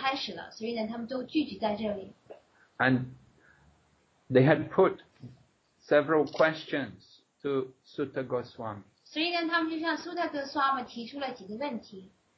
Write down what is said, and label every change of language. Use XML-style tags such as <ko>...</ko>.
<zh>那因为这些卡利年代的这些圣人,他们都知道卡利年代要开始了,所以呢,他们都聚集在这里。</zh> <en>And they had put several questions to Sutta Goswami.</en> <zh>所以呢,他们就向苏特格斯瓦姆提出了几个问题。</zh>